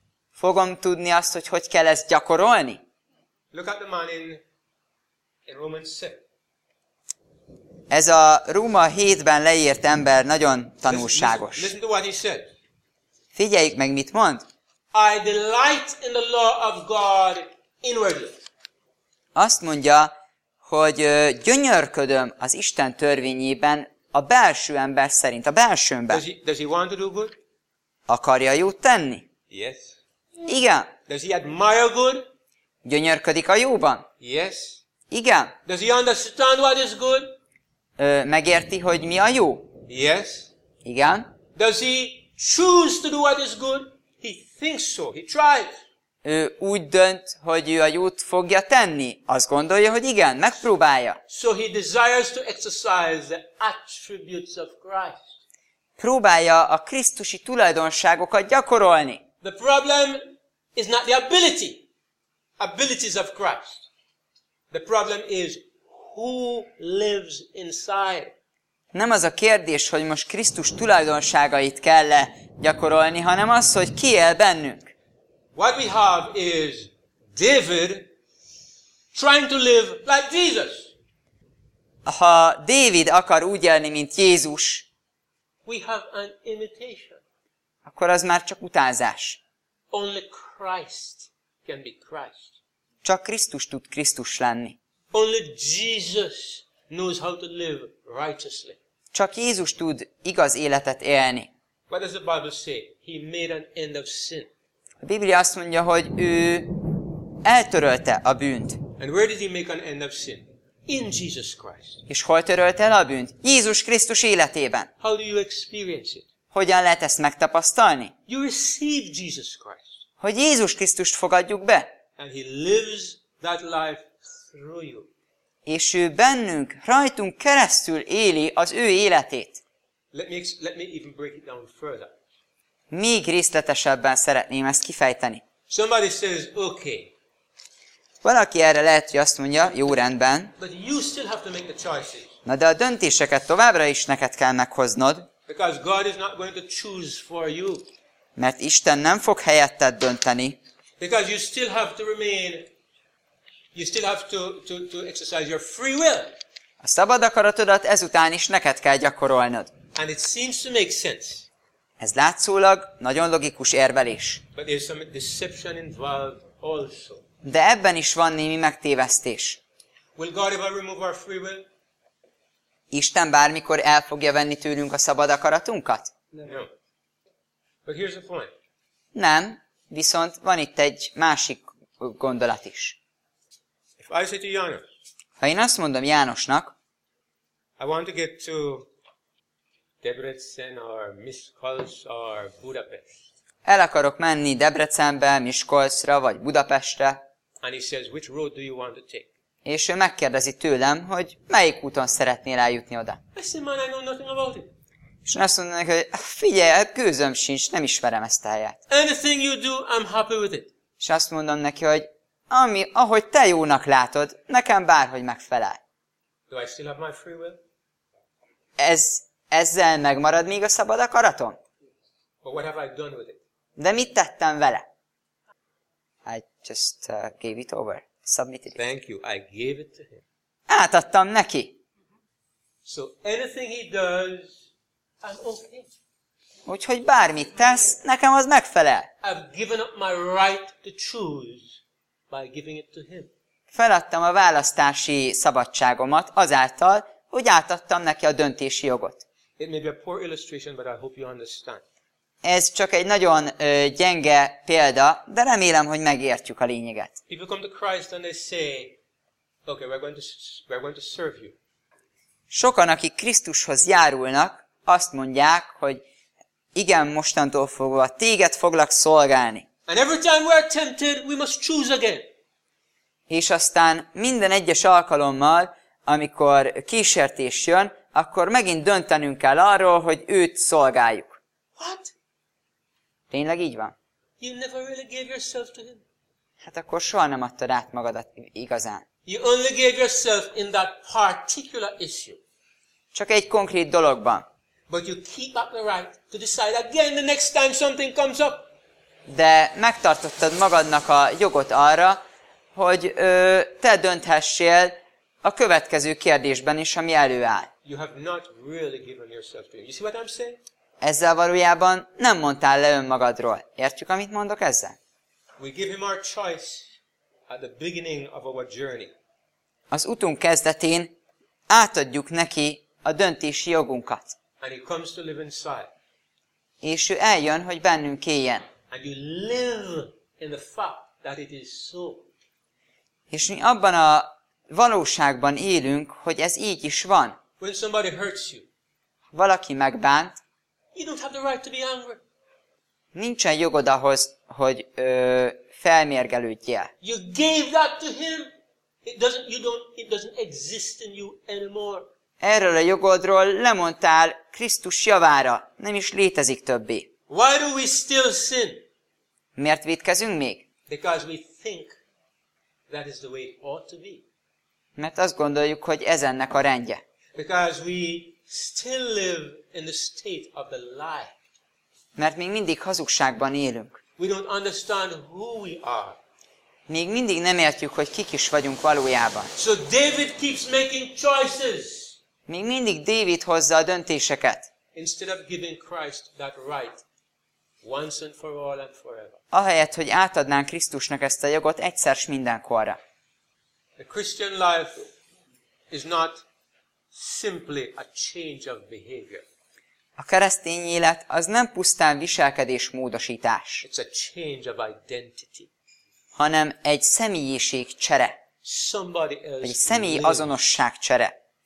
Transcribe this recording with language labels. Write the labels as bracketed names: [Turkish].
[Hungarian] Fogom tudni azt, hogy hogy kell ezt gyakorolni? [English] Look at the man in Romans 7. [Hungarian] Ez a Róma 7-ben leírt ember nagyon tanulságos. [English] Listen to what he said. [Hungarian] Figyeljük meg, mit mond. [English] I delight in the law of God inwardly. [Hungarian] Azt mondja, hogy gyönyörködöm az Isten törvényében a belső ember szerint, a belsőmben. [English] Does he want to do good? [Hungarian] Akarja jót tenni? [English] Yes. [Hungarian] Igen. [English] Does he admire good? [Hungarian] Gyönyörködik a jóban? [English] Yes. [Hungarian] Igen. [English] Does he understand what is good? [Hungarian] Megérti, hogy mi a jó? [English] Yes. [Hungarian] Igen. [English] Does he choose to do what is good? He thinks so. He tries. [Hungarian] Ő úgy dönt, hogy ő a jót fogja tenni. Azt gondolja, hogy igen, megpróbálja. [English] So he desires to exercise the attributes of Christ. [Hungarian] Próbálja a krisztusi tulajdonságokat gyakorolni. [English] The problem is not the abilities of Christ. The problem is who lives inside. [Hungarian] Nem az a kérdés, hogy most Krisztus tulajdonságait kell-e gyakorolni, hanem az, hogy ki él bennünk. [English] What we have is David trying to live like Jesus. [Hungarian] Ha David akar úgy élni, mint Jézus, [English] we have an imitation. [Hungarian] Akkor az már csak utánzás. [English] Only Christ can be Christ. [Hungarian] Csak Krisztus tud Krisztus lenni. [English] Only Jesus knows how to live righteously. [Hungarian] Csak Jézus tud igaz életet élni. [English] What does the Bible say? He made an end of sin. [Hungarian] A Biblia azt mondja, hogy ő eltörölte a bűnt. [English] And where did he make an end of sin? In Jesus Christ. [Hungarian] És hol törölte el a bűnt? Jézus Krisztus életében. [English] How do you experience it? [Hungarian] Hogyan lehet ezt megtapasztalni? [English] You receive Jesus Christ. [Hungarian] Hogy Jézus Krisztust fogadjuk be. [English] And he lives that life through you. [Hungarian] És ő bennünk, rajtunk keresztül éli az ő életét. [English] Let me even break it down further. [Hungarian] Még részletesebben szeretném ezt kifejteni. [English] Somebody says, okay. [Hungarian] Valaki erre lehet, hogy azt mondja, jó rendben. [English] But you still have to make the choices. [Hungarian] Na de a döntéseket továbbra is neked kell meghoznod. [English] Because God is not going to choose for you. [Hungarian] Mert Isten nem fog helyetted dönteni. [English] Because you still have to remain, you still have to exercise your free will. [Hungarian] A szabad akaratodat ezután is neked kell gyakorolnod. [English] And it seems to make sense. [Hungarian] Ez látszólag nagyon logikus érvelés. [English] But there's some deception involved also. [Hungarian] De ebben is van némi megtévesztés. [English] Will God ever remove our free will? [Hungarian] Isten bármikor el fogja venni tőlünk a szabad akaratunkat? [English] No. But here's the point. [Hungarian] Nem, viszont van itt egy másik gondolat is. [English] If I say to Janos, [Hungarian] ha én azt mondom Jánosnak, [English] I want to get to Debrecen or Miskolc or Budapest. [Hungarian] El akarok menni Debrecenbe, Miskolcra vagy Budapestre. [English] And he says, which road do you want to take? [Hungarian] És ő megkérdezi tőlem, hogy melyik úton szeretnél eljutni oda. [English] I said, man, I know nothing about it. [Hungarian] És azt mondom neki, hogy figyelj, gőzöm sincs, nem ismerem ezt a helyet. [English] Anything you do, I'm happy with it. [Hungarian] És azt mondom neki, hogy ami, ahogy te jónak látod, nekem bárhogy megfelel. [English] Do I still have my free will? [Hungarian] Ezzel megmarad még a szabad akaratom? [English] But what have I done with it? [Hungarian] De mit tettem vele? [English] I just gave it over. Submitted it. Thank you. I gave it to him. [Hungarian] Átadtam neki. [English] So anything he does, I'm okay. [Hungarian] Úgyhogy bármit tesz, nekem az megfelel. [English] I've given up my right to choose by giving it to him. [Hungarian] Feladtam a választási szabadságomat azáltal, hogy átadtam neki a döntési jogot. [English] It may be a poor illustration, but I hope you understand. [Hungarian] Ez csak egy nagyon gyenge példa, de remélem, hogy megértjük a lényeget. [English] People come to Christ and they say, okay, we're going to serve you. [Hungarian] Sokan, akik Krisztushoz járulnak, azt mondják, hogy igen, mostantól fogva téged foglak szolgálni. [English] And every time we're tempted, we must choose again. [Hungarian] És aztán minden egyes alkalommal, amikor kísértés jön, akkor megint döntenünk kell arról, hogy őt szolgáljuk. [English] What? [Hungarian] Tényleg így van? [English] You never really gave yourself to him. [Hungarian] Hát akkor soha nem adtad át magadat igazán. [English] You only gave yourself in that particular issue. [Hungarian] Csak egy konkrét dologban. [English] But you keep up the right to decide again the next time something comes up. [Hungarian] De megtartottad magadnak a jogot arra, hogy te dönthessél a következő kérdésben is, ami előáll. [English] You have not really given yourself to him. You see what I'm saying? [Hungarian] Ezzel valójában nem mondtál le önmagadról. Értjük, amit mondok ezzel? [English] We give him our choice at the beginning of our journey. [Hungarian] Az utunk kezdetén átadjuk neki a döntési jogunkat. [English] And he comes to live inside. [Hungarian] És ő eljön, hogy bennünk éljen. [English] And you live in the fact that it is so. [Hungarian] És mi abban a valóságban élünk, hogy ez így is van. [English] When somebody hurts you, [Hungarian] valaki megbánt, [English] you don't have the right to be angry. [Hungarian] Nincsen jogod ahhoz, hogy felmérgelődjél. [English] You gave that to him. It doesn't exist in you anymore. [Hungarian] Erről a jogodról lemondtál Krisztus javára, nem is létezik többé. [English] Why do we still sin? [Hungarian] Miért vétkezünk még? [English] Because we think that is the way it ought to be. [Hungarian] Mert azt gondoljuk, hogy ez ennek a rendje. [English] Because we still live in the state of the lie. [Hungarian] Mert még mindig hazugságban élünk. [English] We don't understand who we are. [Hungarian] Még mindig nem értjük, hogy kik is vagyunk valójában. [English] So David keeps making choices. [Hungarian] Még mindig David hozza a döntéseket. [English] Instead of giving Christ that right once and for all and forever. [Hungarian] Ahelyett, hogy átadnánk Krisztusnak ezt a jogot egyszer s mindenkorra. [English] The Christian life is not simply a change of behavior. [Hungarian] A keresztény élet az nem pusztán viselkedésmódosítás. [English] It's a change of identity. [Hungarian] Hanem egy személyiség csere. [English] Somebody else [Hungarian] egy személyi azonosság csere.